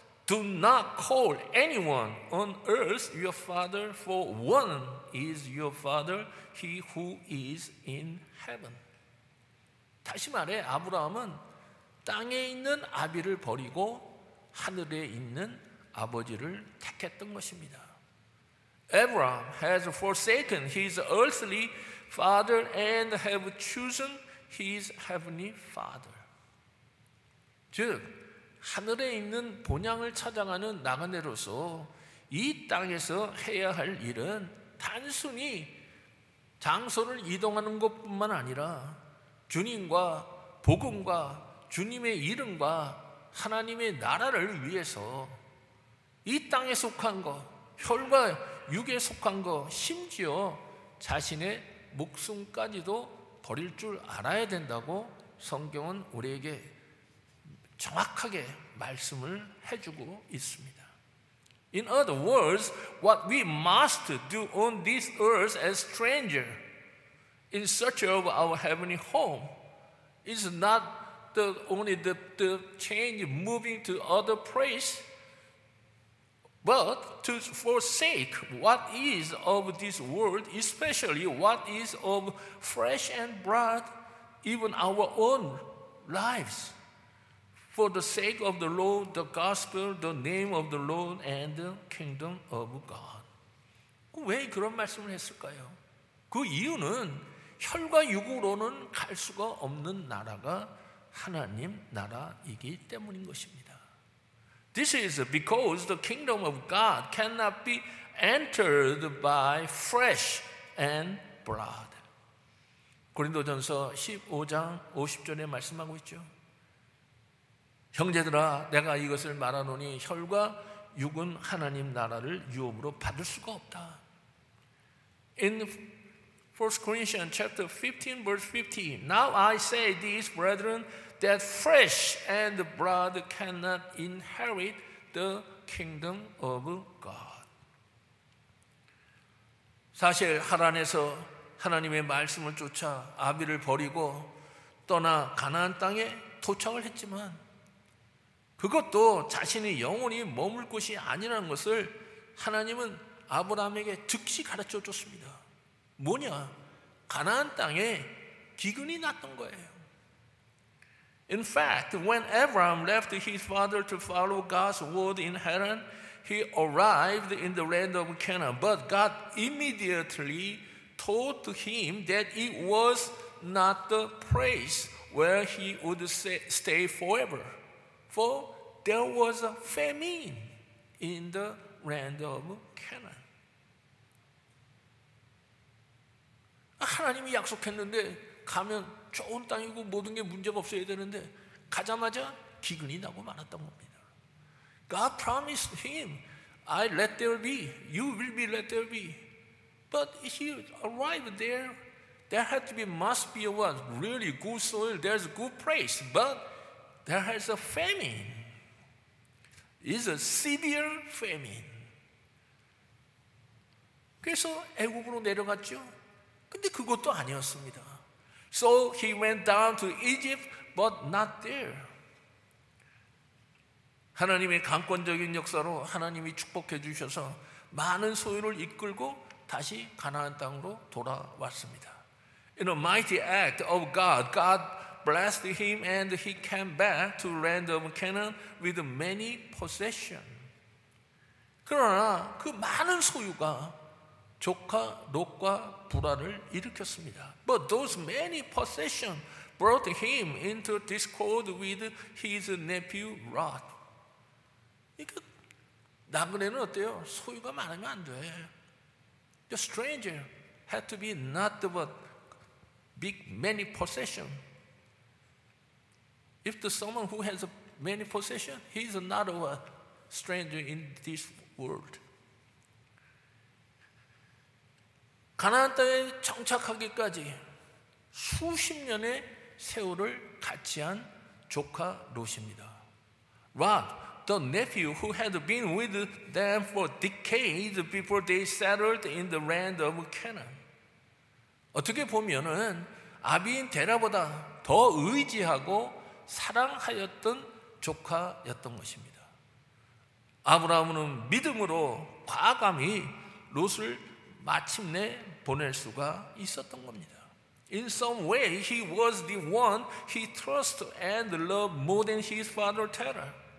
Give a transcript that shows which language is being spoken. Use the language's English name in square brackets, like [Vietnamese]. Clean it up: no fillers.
[English] Do not call anyone on earth your father, for one is your father, he who is in heaven. [Korean] 다시 말해 아브라함은 땅에 있는 아비를 버리고 하늘에 있는 아버지를 택했던 것입니다. [English] Abraham has forsaken his earthly father and have chosen his heavenly father. [Korean] 즉 하늘에 있는 본향을 찾아가는 나그네로서 이 땅에서 해야 할 일은 단순히 장소를 이동하는 것뿐만 아니라 주님과 복음과 주님의 이름과 하나님의 나라를 위해서 이 땅에 속한 것, 혈과 육에 속한 것, 심지어 자신의 목숨까지도 버릴 줄 알아야 된다고 성경은 우리에게 정확하게 말씀을 해주고 있습니다. [English] In other words, what we must do on this earth as stranger in search of our heavenly home is not only the change moving to other place, but to forsake what is of this world, especially what is of flesh and blood, even our own lives for the sake of the Lord, the gospel, the name of the Lord, and the kingdom of God. [Korean] 왜 그런 말씀을 했을까요? 그 이유는 혈과 육으로는 갈 수가 없는 나라가 하나님 나라이기 때문인 것입니다. [English] This is because the kingdom of God cannot be entered by flesh and blood. [Korean] 고린도전서 15장 50절에 말씀하고 있죠. 형제들아 내가 이것을 말하노니 혈과 육은 하나님 나라를 유업으로 받을 수가 없다. [English] In 1 Corinthians chapter 15 verse 15. Now I say these brethren that flesh and blood cannot inherit the kingdom of God. [Korean] 사실 하란에서 하나님의 말씀을 쫓아 아비를 버리고 떠나 가나안 땅에 도착을 했지만 그것도 자신이 영원히 머물 곳이 아니라는 것을 하나님은 아브라함에게 즉시 가르쳐 줬습니다. 뭐냐? 가나안 땅에 기근이 났던 거예요. [English] In fact, when Abraham left his father to follow God's word in Haran, he arrived in the land of Canaan, but God immediately told him that it was not the place where he would stay forever, for there was a famine in the land of Canaan. [Korean] 하나님이 약속했는데 가면 좋은 땅이고 모든 게 문제가 없어야 되는데 가자마자 기근이 나고 말았던 겁니다. [English] God promised him, I let there be, you will be let there be. But he arrived there, there had to be, must be a really good soil, there's a good place, but there has a famine. It's a severe famine. [Korean] 그래서 애굽으로 내려갔죠. 근데 그것도 아니었습니다. [English] So he went down to Egypt, but not there. [Korean] 하나님의 강권적인 역사로 하나님이 축복해 주셔서 많은 소유를 이끌고 다시 가나안 땅으로 돌아왔습니다. [English] In a mighty act of God, God blessed him and he came back to the land of Canaan with many possessions. [Korean] 그러나 그 많은 소유가 조카 롯과 불화를 일으켰습니다. [English] But those many possessions brought him into discord with his nephew Lot. [Korean] 그러니까 나그네는 어때요? 소유가 많으면 안 돼. [English] The stranger had to be not the big many possession. If the someone who has a many possession, he is not a stranger in this world. [Korean] 가나안 땅에 정착하기까지 수십 년의 세월을 같이 한 조카 롯입니다. [English] Lot, the nephew who had been with them for decades before they settled in the land of Canaan. [Korean] 어떻게 보면은 아비인 데라보다 더 의지하고 사랑하였던 조카였던 것입니다. 아브라함은 믿음으로 과감히 롯을 마침내 보낼 수가 있었던 겁니다. [English] In some way, he was the one he trusted and loved more than his father Terah.